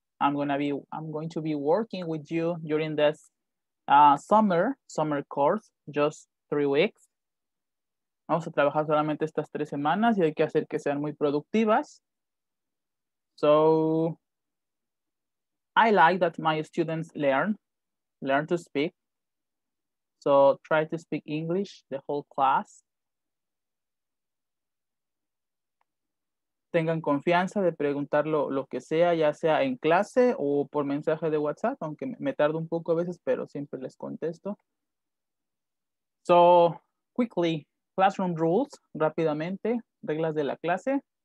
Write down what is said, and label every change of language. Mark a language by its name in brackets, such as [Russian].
[English] I'm going to be working with you during this summer course, just 3 weeks. [Spanish] Vamos a trabajar solamente estas 3 semanas y hay que hacer que sean muy productivas. [English] So, I like that my students learn to speak. So, try to speak English, the whole class. [Spanish] Tengan confianza de preguntar lo que sea, ya sea en clase o por mensaje de WhatsApp, aunque me tardo un poco a veces, pero siempre les contesto. [English] So, quickly, classroom rules, [Spanish] rápidamente, reglas de la clase.